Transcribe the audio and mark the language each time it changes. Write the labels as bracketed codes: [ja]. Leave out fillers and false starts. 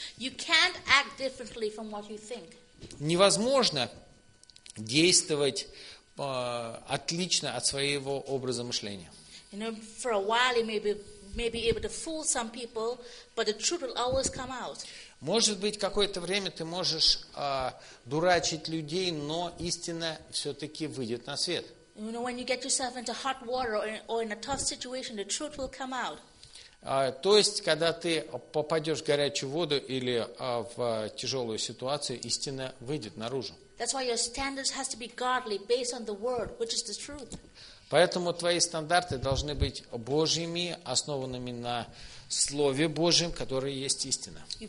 [en] You can't act differently from what you think. [ru] Невозможно действовать отлично от своего образа мышления. [en] You know, for a while you may be able to fool some people, but the truth will always come out. [ru] Может быть, какое-то время ты можешь дурачить людей, но истина все-таки выйдет на свет. [en] You know, when you get yourself into hot water or in a tough situation, the truth will come out. [ru] То есть, когда ты попадешь в горячую воду или в тяжелую ситуацию, истина выйдет наружу. [en] That's why your standards have to be godly, based on the word, which is the truth. [ru] Поэтому твои стандарты должны быть Божьими, основанными на Слове Божьем, которое есть истина.